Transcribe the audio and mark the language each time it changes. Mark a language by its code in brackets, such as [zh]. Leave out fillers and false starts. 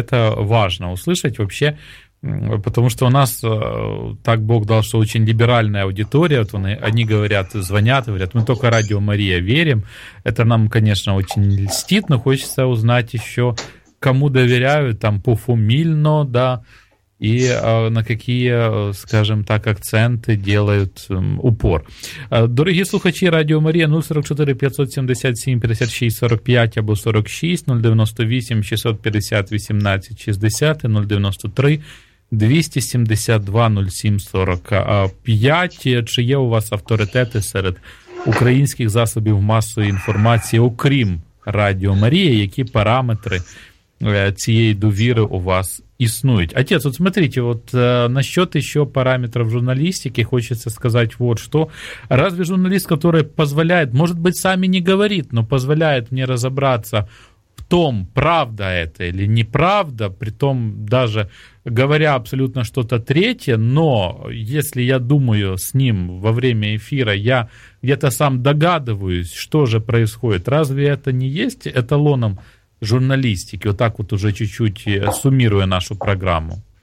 [ru] Это важно услышать вообще, потому что у нас, так Бог дал, что очень либеральная аудитория, вот они говорят, звонят, говорят, мы только Радио Мария верим. Это нам, конечно, очень льстит, но хочется узнать еще, кому доверяют, там, по Фумильно, да, и на какие, скажем так, акценты делают упор. [uk] Дорогі слухачі, Радіо Марія, 044-577-56-45 або 46, 098-650-18-60, 093-272-07-45. Чи є у вас авторитети серед українських засобів масової інформації, окрім Радіо Марія, які параметри цієї довіри у вас існують? [ru] Отець, от смотрите, от насчет еще параметров журналистики хочется сказать вот что. Разве журналист, который позволяет, может быть, сами не говорит, но позволяет мне разобраться в том, правда это или неправда, при том даже говоря абсолютно что-то третье, но если я думаю с ним во время эфира, я где-то сам догадываюсь, что же происходит, разве это не есть эталоном журналистики, вот так вот уже чуть-чуть суммируя нашу программу?